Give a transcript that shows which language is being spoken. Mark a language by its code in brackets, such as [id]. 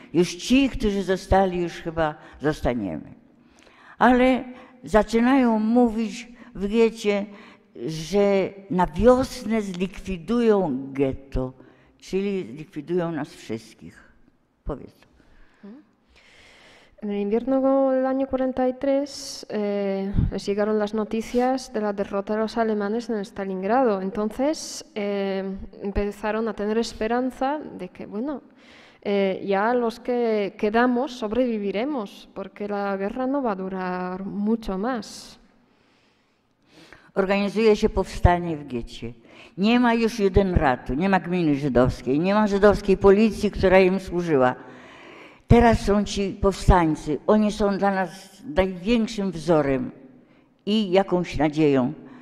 [pl] Już ci, którzy zostali, już chyba zostaniemy. Ale zaczynają mówić w getcie, że na wiosnę zlikwidują getto, czyli zlikwidują nas wszystkich. Powiedz. [es] En el invierno del año 43 les llegaron las noticias de la derrota de los alemanes en Stalingrado. Entonces empezaron a tener esperanza de que, bueno, ya los que quedamos sobreviviremos, porque la guerra no va a durar mucho más. [pl] Organizuje się powstanie w getcie. Nie ma już Judenratu, nie ma gminy żydowskiej, nie ma żydowskiej policji, która im służyła. Teraz są ci powstańcy, oni są dla nas największym wzorem i jakąś nadzieją.